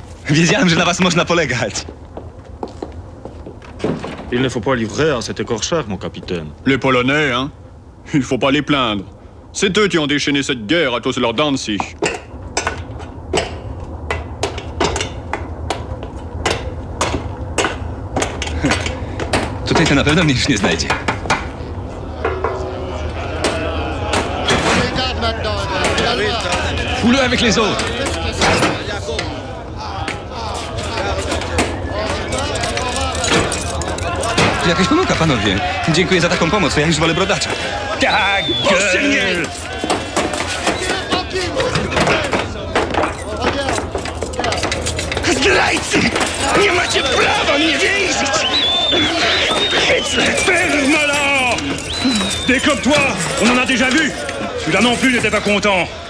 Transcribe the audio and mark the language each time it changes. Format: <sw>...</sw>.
<pl>Wiedziałem, że na was można polegać.</pl> <fr>Il ne faut pas livrer à cet écorcheur, mon capitaine. Les Polonais, hein? Il faut pas les plaindre. C'est eux qui ont déchaîné cette guerre à cause de leur Danzig.</fr> <pl>Tutaj to na pewno mnie już nie znajdzie.</pl> <fr>Fouleux avec les autres!</fr> <pl>Jakaś pomyłka, panowie. Dziękuję za taką pomoc, ja już wolę brodacza. Tak, girl! Zdrajcy! Nie macie prawa mnie więzić!</pl> <fr>Ferme-la! Des comme toi, on en a déjà vu. Celui-là non plus n'était pas content.</fr>